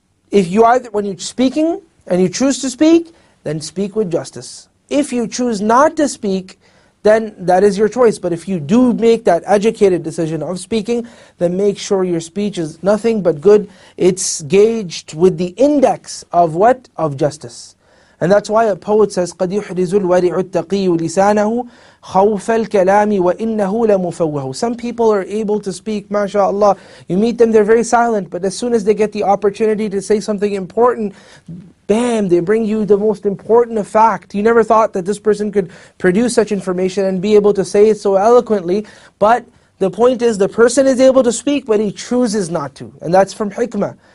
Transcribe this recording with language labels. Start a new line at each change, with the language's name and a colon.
English: If you either, when you're speaking and you choose to speak, then speak with justice. If you choose not to speak, then that is your choice. But if you do make that educated decision of speaking, then make sure your speech is nothing but good. It's gauged with the index of what? Of justice. And that's why a poet says,
Arabic: قَدْ يُحْرِزُ الْوَرِعُ التَّقِيُّ لِسَانَهُ خَوْفَ الْكَلَامِ وَإِنَّهُ لَمُفَوَّهُ.
English: Some people are able to speak, mashallah. You meet them, they're very silent. But as soon as they get the opportunity to say something important, bam, they bring you the most important fact. You never thought that this person could produce such information and be able to say it so eloquently. But the point is, the person is able to speak, but he chooses not to. And that's from hikmah.